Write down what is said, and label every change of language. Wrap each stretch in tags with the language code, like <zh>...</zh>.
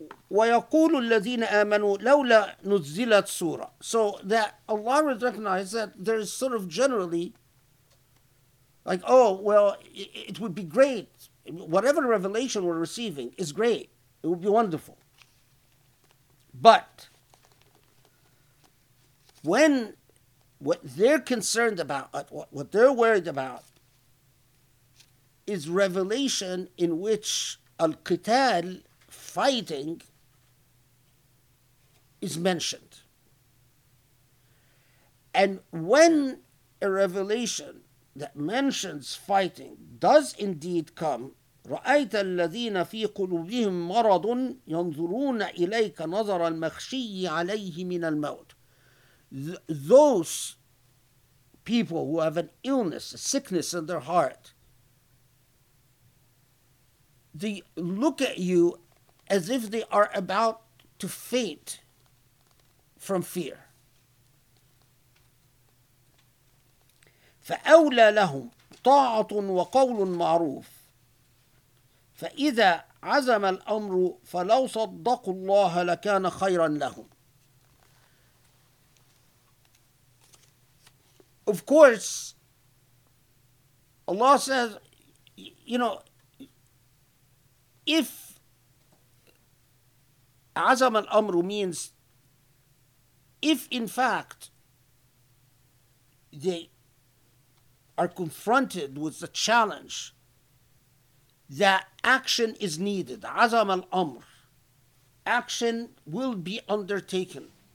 <ar>ويقول الذين آمنوا لولا نزلت سورة.</ar> <en>So that Allah would recognize that there is sort of generally like, oh, well, it would be great. Whatever revelation we're receiving is great. It would be wonderful. But when what they're concerned about, what they're worried about, is revelation in which al-qital, fighting, is mentioned. And when a revelation that mentions fighting does indeed come,</en> <ar>رأيت الذين في قلوبهم مرض ينظرون إليك نظر المخشي عليه من الموت.</ar> <en>Those people who have an illness, a sickness in their heart, they look at you as if they are about to faint from fear.</en> <ar>فأولى لهم طاعة وقول معروف فإذا عزم الأمر فلو صدقوا الله لكان خيرا لهم.</ar> <en>Of course, Allah says, you know, if</en> <ar>عزم الأمر</ar> <en>means if in fact they are confronted with the challenge that action is needed, عزم الأمر, action will be undertaken,</en>